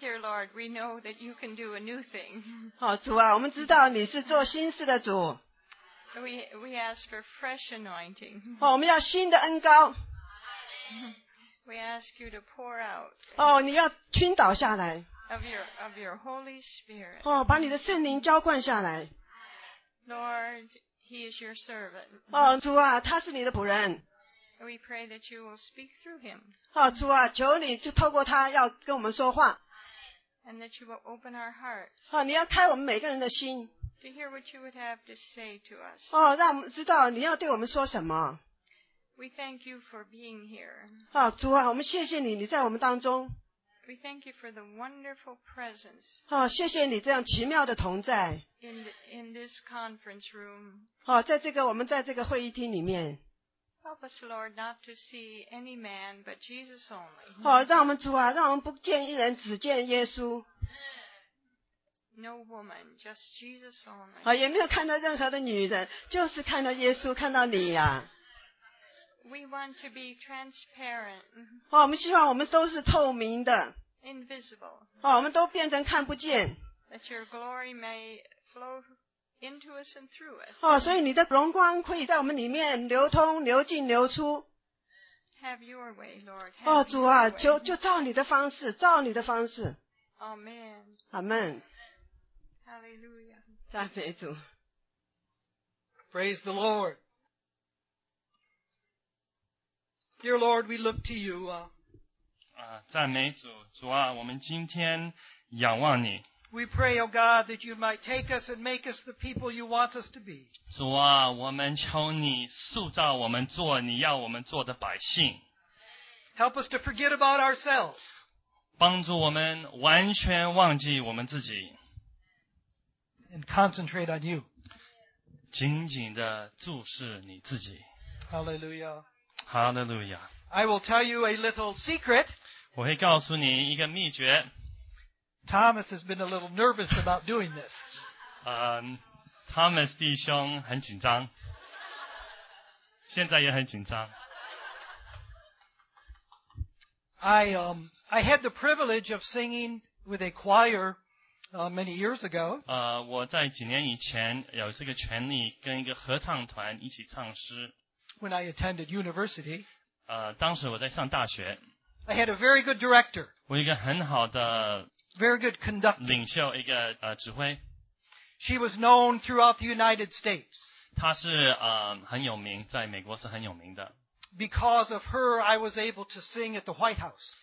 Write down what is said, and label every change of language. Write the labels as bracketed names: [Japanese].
[English] Dear Lord, we know that you can do a new thing. [Chinese] 好，主啊，我们知道你是做新事的主。 [English] We ask for fresh anointing. [Chinese] 好，我们要新的恩膏。 [English] We ask you to pour out. [Chinese] 哦，你要倾倒下来。 [English] Of your Holy Spirit. [Chinese] 哦，把你的圣灵浇灌下来。 [English] Lord, He is your servant. [Chinese] 哦，主啊，他是你的仆人。 [English] We pray that you will speak through him. [Chinese] 哦，主啊，求你就透过他要跟我们说话。 [English] And that you will open our hearts. [Chinese] 哦，你要开我们每个人的心。 [English] To hear what you would have to say to us. [Chinese] 哦，让我们知道你要对我们说什么。 [English] We thank you for being here. [Chinese] 哦，主啊，我们谢谢你，你在我们当中。 [English] We thank you for the wonderful presence. [Chinese] 哦，谢谢你这样奇妙的同在。 [English] In this conference room. [Chinese] 哦，在这个我们在这个会议厅里面。 [English] Help us, Lord, not to see any man but Jesus only. [Chinese] 哦，让我们主啊，让我们不见一人，只见耶稣。 [English] No woman, just Jesus only. [Chinese] 哦，也没有看到任何的女人，就是看到耶稣，看到你呀。 [English] We want to be transparent. [Chinese] 哦，我们希望我们都是透明的。 [English] Invisible. [Chinese] 哦，我们都变成看不见。 [English] That your glory may flow into us and through us. [Chinese] 哦，所以你的荣光可以在我们里面流通、流进、流出。 [English] Have your way, Lord. [Chinese] 哦，主啊，就照你的方式，照你的方式。 [English] Amen. Amen. Hallelujah. [Chinese] 赞美主。 [English] Praise the Lord. Dear Lord, we look to you. [Chinese] 赞美主，主啊，我们今天仰望你。 [English] We pray, O God, that you might take us and make us the people you want us to be. [Chinese] 主啊，我们求你塑造我们做你要我们做的百姓。 [English] Help us to forget about ourselves. [Chinese] 帮助我们完全忘记我们自己。 [English] And concentrate on you. [Chinese] 紧紧地注视你自己。 [English] Hallelujah. Hallelujah. I will tell you a little secret. [Chinese] 我会告诉你一个秘诀。 [English] Thomas has been a little nervous about doing this. [Chinese] Thomas 弟兄很紧张。现在也很紧张。 [English] I had the privilege of singing with a choir, many years ago. [Chinese] 我在几年以前有这个权利跟一个合唱团一起唱诗。 [English] When I attended university, [Chinese] 当时我在上大学。 [English] I had a very good director. [Chinese] 我一个很好的 [English] very good conductor [Chinese] 领袖一个指挥。 [English] She was known throughout the United States. [Chinese] 她是很有名，在美国是很有名的。 [English] Because of her, I was able to sing at the White House.